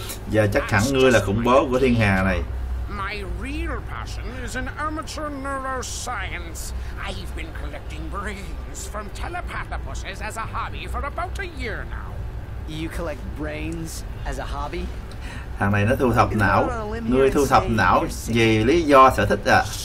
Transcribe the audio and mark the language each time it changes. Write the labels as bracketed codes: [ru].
[vi] Giờ chắc hẳn ngươi là khủng bố của thiên hà này. [en] My real passion is in amateur neuroscience. I've been collecting brains from telepathopuses as a hobby for about a year now. You collect brains as a hobby? [vi] Thằng này nó thu thập não. Ngươi thu thập não vì lý do sở thích à?